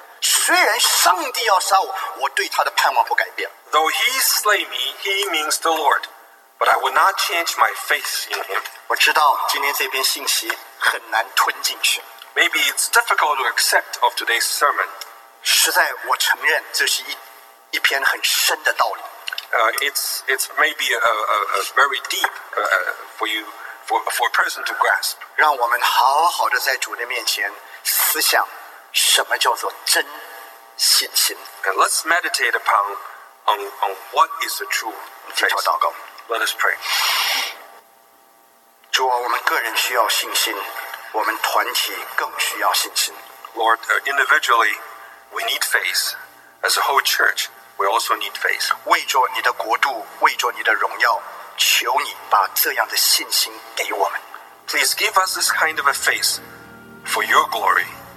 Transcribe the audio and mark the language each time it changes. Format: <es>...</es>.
<zh>虽然上帝要杀我，我对他的盼望不改变。</zh> <en>Though he slay me, he means the Lord, but I will not change my faith in him.</en> <zh>我知道今天这篇信息很难吞进去。</zh> <en>Maybe it's difficult to accept of today's sermon.</en> <zh>实在，我承认这是一篇很深的道理。</zh> <en>It's maybe a very deep for you for a person to grasp.</en> <zh>让我们好好的在主的面前思想。什么叫做真信心</zh> <en>？And let's meditate upon on what is the true faith.</en> <zh>接着祷告。</zh> <en>Let us pray.</en> <zh>主啊，我们个人需要信心，我们团体更需要信心。</zh> <en>Lord, individually, we need faith. As a whole church, we also need faith.</en> <zh>为着你的国度，为着你的荣耀，求你把这样的信心给我们。</zh> <en>Please give us this kind of a faith for your glory.</en>